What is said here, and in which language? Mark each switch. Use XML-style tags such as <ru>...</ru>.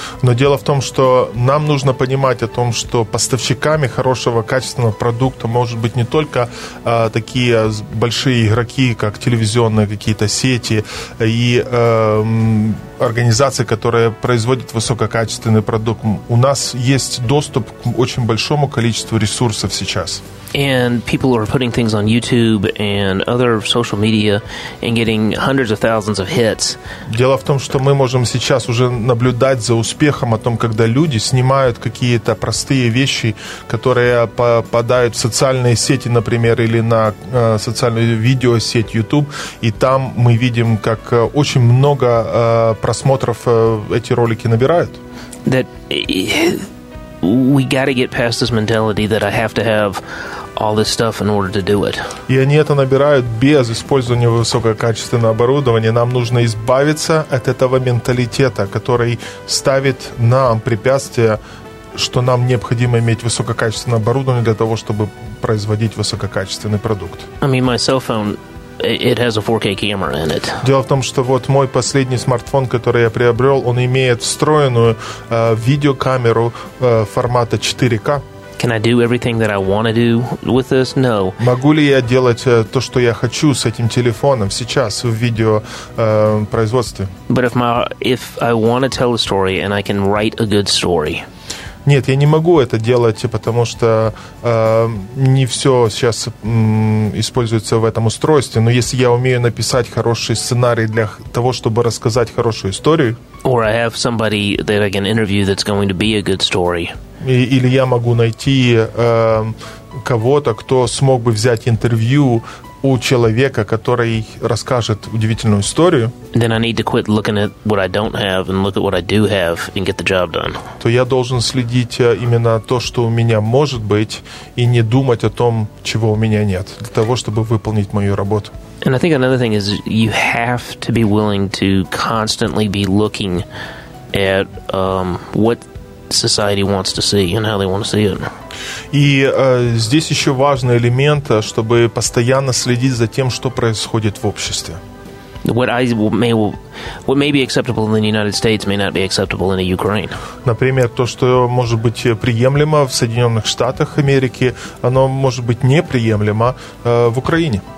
<ru>Но дело в том, что нам нужно понимать о том, что поставщиками хорошего качественного продукта может быть не только такие большие игроки, как телевизионные какие-то сети и организации, которые производят высококачественный продукт. У нас есть доступ к очень большому количеству ресурсов сейчас.</ru> <en>And people are putting things on YouTube and other social media and getting hundreds of thousands of hits.</en> <ru>Дело в том, что мы можем сейчас уже наблюдать за успехом о том, когда люди снимают какие-то простые вещи, которые попадают в социальные сети, например, или на социальную видеосеть YouTube, и там мы видим, как очень много просмотров эти ролики набирают.</ru> <en>That we got to get past this mentality that I have to have all this stuff in order to do it.</en> <ru>И они это набирают без использования высококачественного оборудования. Нам нужно избавиться от этого менталитета, который ставит нам препятствие, что нам необходимо иметь высококачественное оборудование для того, чтобы производить высококачественный продукт.</ru> <en>I mean, my cell phone, it has a 4K camera in it.</en> <ru>Дело в том, что вот мой последний смартфон, который я приобрел, он имеет встроенную видеокамеру формата 4K.</ru> <en>Can I do everything that I want to do with this? No.</en> <ru>Могу ли я делать то, что я хочу с этим телефоном сейчас в видео производстве?</ru> <en>But if I want to tell a story and I can write a good story.</en> <ru>Нет, я не могу это делать, потому что не все сейчас используется в этом устройстве. Но если я умею написать хороший сценарий для того, чтобы рассказать хорошую историю,</ru> <en>or I have somebody that I can interview that's going to be a good story.</en> <ru>Или я могу найти кого-то, кто смог бы взять интервью у человека, который расскажет удивительную историю,</ru> <en>then I need to quit looking at what I don't have and look at what I do have and get the job done.</en> <ru>То я должен следить именно то, что у меня может быть, и не думать о том, чего у меня нет, для того, чтобы выполнить мою работу.</ru> <en>And I think another thing is you have to be willing to constantly be looking at what society wants to see and how they want to see it.</en> <ru>И здесь еще важный элемент, чтобы постоянно следить за тем, что происходит в обществе.</ru> <en>What may be acceptable in the United States may not be acceptable in the Ukraine.</en> <ru>Например, то, что может быть приемлемо в Соединенных Штатах Америки, оно может быть неприемлемо в Украине.</ru>